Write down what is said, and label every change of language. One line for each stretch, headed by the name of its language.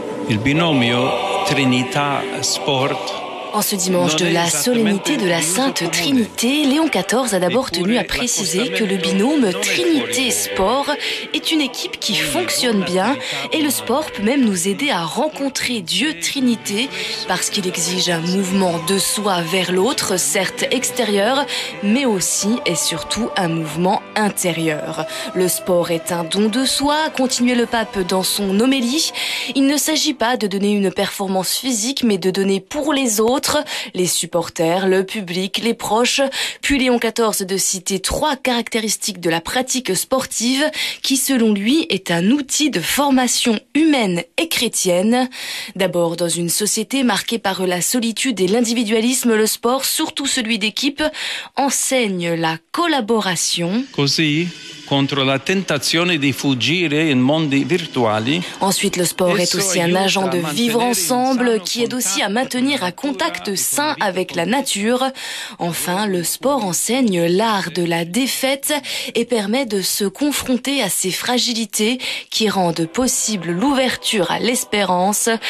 Italian: Il binomio Trinità Sport.
French: En ce dimanche de la solennité de la Sainte Trinité, Léon XIV a d'abord tenu à préciser que le binôme Trinité-Sport est une équipe qui fonctionne bien et le sport peut même nous aider à rencontrer Dieu Trinité parce qu'il exige un mouvement de soi vers l'autre, certes extérieur, mais aussi et surtout un mouvement intérieur. Le sport est un don de soi, a continué le pape dans son homélie. Il ne s'agit pas de donner une performance physique, mais de donner pour les autres. Les supporters, le public, les proches. Puis Léon XIV de citer trois caractéristiques de la pratique sportive qui, selon lui, est un outil de formation humaine et chrétienne. D'abord, dans une société marquée par la solitude et l'individualisme, le sport, surtout celui d'équipe, enseigne la collaboration.
Italian: Così, contro la tentazione di fuggire in mondi virtuali.
French: Ensuite, le sport est aussi un agent de vivre ensemble qui aide aussi à maintenir un contact sain avec la nature. Enfin, le sport enseigne l'art de la défaite et permet de se confronter à ses fragilités qui rendent possible l'ouverture à l'espérance.